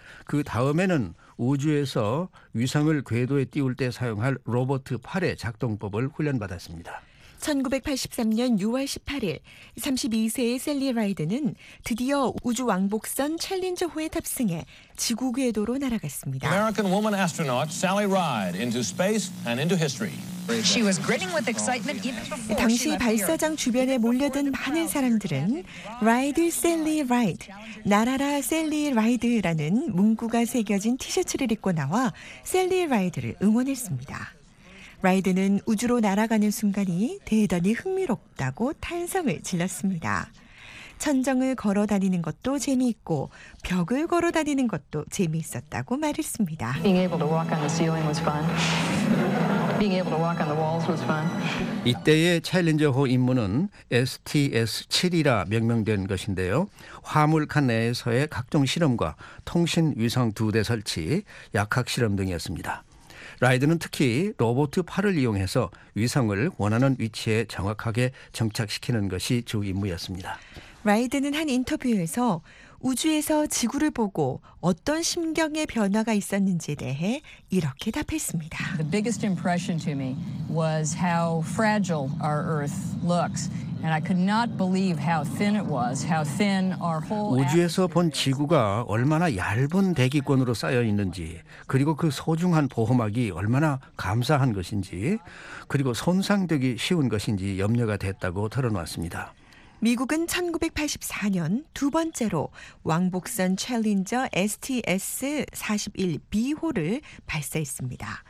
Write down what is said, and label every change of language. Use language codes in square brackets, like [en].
[ko] 그 다음에는 우주에서 위성을 궤도에 띄울 때 사용할 로봇 팔의 작동법을 훈련받았습니다. 1983년 6월 18일 32세의 샐리 라이드는 드디어 우주 왕복선 챌린저호에 탑승해 지구 궤도로 날아갔습니다. [en] American woman astronaut Sally Ride into space and into history. She was grinning with excitement even before she left. [ko] 당시 발사장 주변에 몰려든 많은 사람들은 라이드 샐리 라이드, 날아라 샐리 라이드라는 문구가 새겨진 티셔츠를 입고 나와 샐리 라이드를 응원했습니다. 라이드는 우주로 날아가는 순간이 대단히 흥미롭다고 탄성을 질렀습니다. 천정을 걸어 다니는 것도 재미있고 벽을 걸어 다니는 것도 재미있었다고 말했습니다. [en] Being able to walk on the ceiling was fun. Being able to walk on the walls was fun. [ko] 이때의 챌린저호 임무는 STS-7이라 명명된 것인데요. 화물칸 내에서의 각종 실험과 통신 위성 두 대 설치, 약학 실험 등이었습니다. 라이드는 특히 로봇 팔을 이용해서 위성을 원하는 위치에 정확하게 정착시키는 것이 주 임무였습니다. 라이드는 한 인터뷰에서 우주에서 지구를 보고 어떤 심경의 변화가 있었는지에 대해 이렇게 답했습니다. [en] The biggest impression to me was how fragile our Earth looks. And I could not believe how thin it was, how thin our whole [ko] 우주에서 본 지구가 얼마나 얇은 대기권으로 쌓여 있는지, 그리고 그 소중한 보호막이 얼마나 감사한 것인지, 그리고 손상되기 쉬운 것인지 염려가 됐다고 털어놓았습니다. 미국은 1984년 두 번째로 왕복선 챌린저 STS-41B호를 발사했습니다.